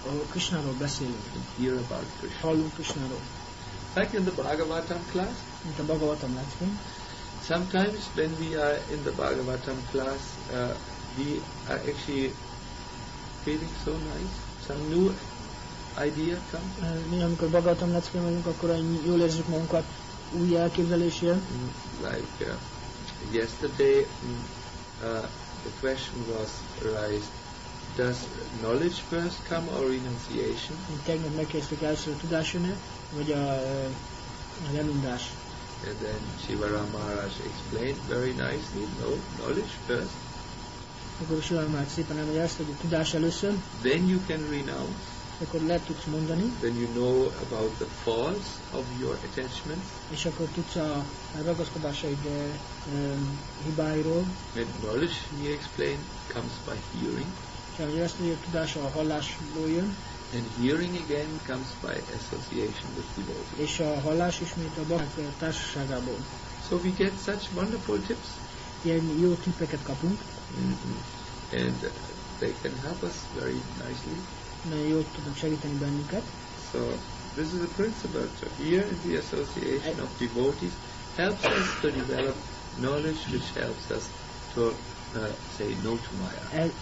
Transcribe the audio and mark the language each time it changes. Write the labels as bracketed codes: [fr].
[hu] Krishnáról beszélünk. [en] And hear about Krishna. [hu] Hallunk Krishnáról. [en] Like in the Bhagavatam class. [hu] Mint a Bhagavatam lecture. [en] Sometimes when we are in the Bhagavatam class, we are actually feeling so nice. Some new idea comes. [hu] Mi amikor Bhagavatam lecture vagyunk, akkor jól érzünk magunkat, új elképzelés jön. [en] Like yesterday, the question was raised: does knowledge first come or renunciation? [hu] Tegnap megkérdezték először a tudás jön-e, vagy a lemondás. [en] And then Sivaram Maharaj explained very nicely: no, knowledge first. [hu] Akkor Sivaram Maharaj szépen elmagyarázta, hogy a tudás először. [en] Then you can renounce. [hu] Akkor le tudsz mondani. [en] When you know about the faults of your attachments. [hu] És akkor tudsz a ragaszkodásaid hibáiról. [en] When knowledge, he explained, comes by hearing. [hu] Hogy ezt a tudás a hallásból jön. [en] And hearing again comes by association with devotees. [hu] És a hallás ismét a bakták társaságából. [en] So we get such wonderful tips. [hu] Ilyen jó tippeket kapunk. Mm-hmm. [en] And they can help us very nicely. [hu] Nagyon jól tudnak segíteni bennünket. [en] So, this is a principle. So here is the association of devotees helps us to develop knowledge which helps us to say no to Maya.